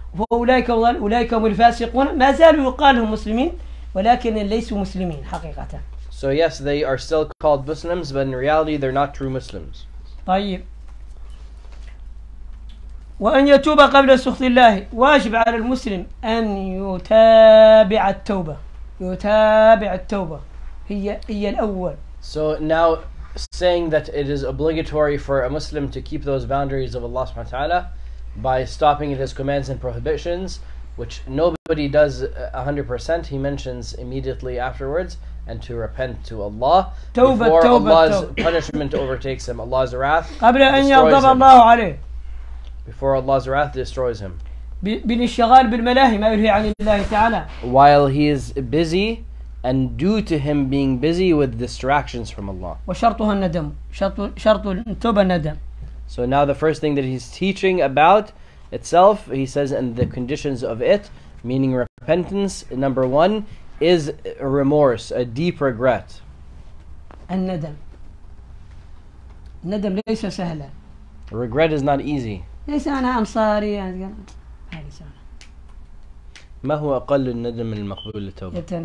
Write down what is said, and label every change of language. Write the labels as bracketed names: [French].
[Arabic] فأولئك أولئك هم الفاسقون ما زالوا يقال لهم مسلمين ولكن ليسوا مسلمين حقيقة. [English] So yes, they are still called Muslims, but in reality, they're not true Muslims. [Arabic] طيب. وأن يتوب قبل سخط الله واجب على المسلم أن يتابع التوبة. يتابع التوبة هي الأول. [English] So now, saying that it is obligatory for a Muslim to keep those boundaries of Allah subhanahu wa ta'ala by stopping at his commands and prohibitions, which nobody does 100%, he mentions immediately afterwards, and to repent to Allah [Arabic] توبة [English] before [Arabic] توبة [English] Allah's [Arabic] توبة. [English] Punishment overtakes him, Allah's wrath [Arabic] قبل أن يغضب [English] him. [Arabic] الله عليه [English] before Allah's wrath destroys him [Arabic] بالشغال بالملاهي ما يلهي عن الله تعالى [English] while he is busy and due to him being busy with distractions from Allah [Arabic] وشرطها الندم شرط التوبة الندم. [English] So now the first thing that he's teaching about itself, he says, and the conditions of it, meaning repentance, number one, is a remorse, a deep regret. [Arabic] الندم. الندم ليس سهلا. [English] Regret is not easy. [Arabic] ليس أنا [English] I'm sorry. [Arabic] ما هو أقل الندم المقبول للتوبة؟